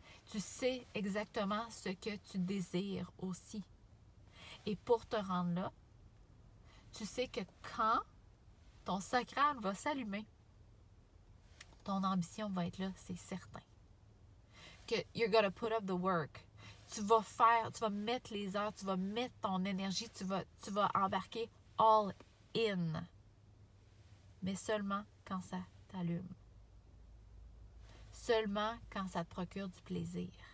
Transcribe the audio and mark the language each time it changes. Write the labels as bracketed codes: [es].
[fr] Tu sais exactement ce que tu désires aussi. Et pour te rendre là, tu sais que quand ton sacral va s'allumer, ton ambition va être là, c'est certain. Que [en] you're gonna put up the work. [fr] Tu vas faire, tu vas mettre les heures, tu vas mettre ton énergie, tu vas embarquer [en] all in. [fr] Mais seulement quand ça t'allume. Seulement quand ça te procure du plaisir.